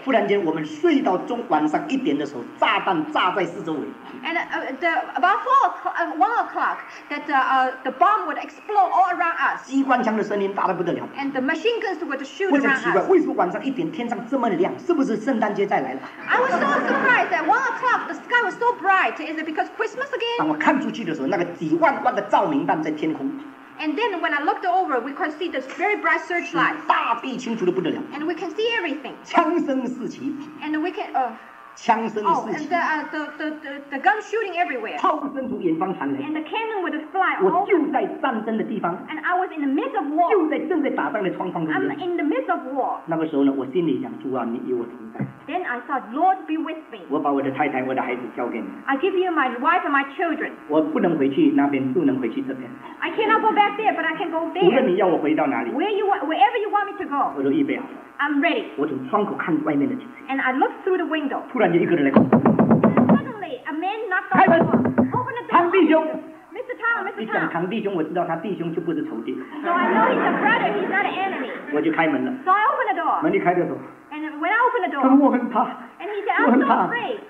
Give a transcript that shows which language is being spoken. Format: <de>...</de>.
<zh>忽然间我们睡到中晚上一点的时候，炸弹炸在四周围。</zh> <en>And about 1 o'clock, that the bomb would explode all around us.</en> <zh>机关枪的声音大得不得了。</zh> <en>And the machine guns would shoot around us.</en> <zh>我很奇怪，为什么晚上一点天上这么亮？是不是圣诞节再来了？</zh> <en>I was so surprised that 1 o'clock the sky was so bright. Is it because Christmas again?</en> <zh>我看出去的时候，那个几万万的照明弹在天空。</zh> <en>And then when I looked over, we could see this very bright searchlight.</en> <zh>大地清楚得不得了。</zh> <en>And we can see everything.</en> <zh>枪声四起。</zh> <en>And we can,</en> <zh>枪声四起。</zh> <en>Oh, and the gun shooting everywhere.</en> <zh>炮声从远方传来。</zh> <en>And the cannon would fly over.</en> <zh>我就在战争的地方。</zh> <en>And I was in the midst of war.</en> <zh>就在正在打仗的窗框中间。</zh> <en>I'm in the midst of war.</en> <zh>那个时候呢，我心里想，主啊，你与我同在。</zh> <en>Then I thought, Lord, be with me.</en> <zh>我把我的太太、我的孩子交给你。</zh> <en>I give you my wife and my children.</en> <zh>我不能回去那边，不能回去这边。</zh> <en>I cannot go back there, but I can go there.</en> <zh>无论你要我回到哪里。</zh> <en>Wherever you want me to go.</en> <zh>我都预备好了。</zh> <en>I'm ready.</en> <zh>我从窗口看外面的情形。</zh> <en>And I looked through the window.</en> <zh>突然间一个人来。</zh> <en>And suddenly, a man knocked on the door. Open the door.</en> <zh>唐弟兄。你讲唐弟兄，我知道他弟兄就不是仇敌。</zh> <en>So I know he's a brother, he's not an enemy.</en> <zh>我就开门了。</zh> <en>So I opened the door.</en> <zh>门一开的时候。</zh> <en>And when I opened the door, and he said, I'm so afraid.</en>